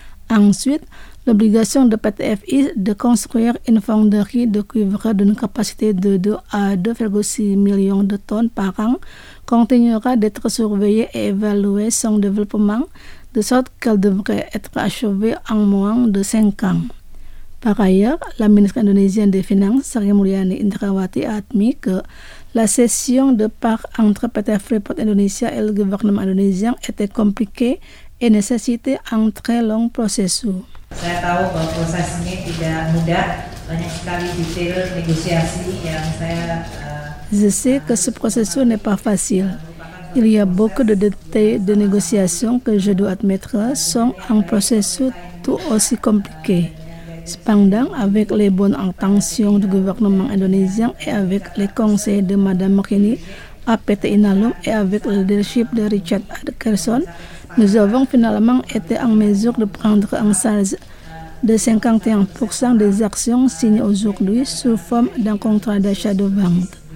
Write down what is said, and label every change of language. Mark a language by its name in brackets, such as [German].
[French] Ensuite, l'obligation de PTFI de construire une fonderie de cuivre d'une capacité de 2 à 2,6 millions de tonnes par an continuera d'être surveillée et évaluée son développement de sorte qu'elle devrait être achevée en moins de 5 ans. Par ailleurs, la ministre indonésienne des Finances, Sri Mulyani Indrawati, a admis que la cession de parts entre PT Freeport Indonesia et le gouvernement indonésien était compliquée et nécessitait un très long processus. [Indonesian] Saya tahu bahwa proses ini tidak mudah, banyak sekali detail negosiasi yang saya. [French] Je sais que ce processus n'est pas facile. Il y a beaucoup de détails de négociation que je dois admettre sont un processus tout aussi compliqué. Cependant, avec les bonnes intentions du gouvernement indonésien et avec les conseils de Mme Rini à PT Inalum et avec le leadership de Richard Atkerson, nous avons finalement été en mesure de prendre en charge de 51% des actions signées aujourd'hui sous forme d'un contrat d'achat de vente.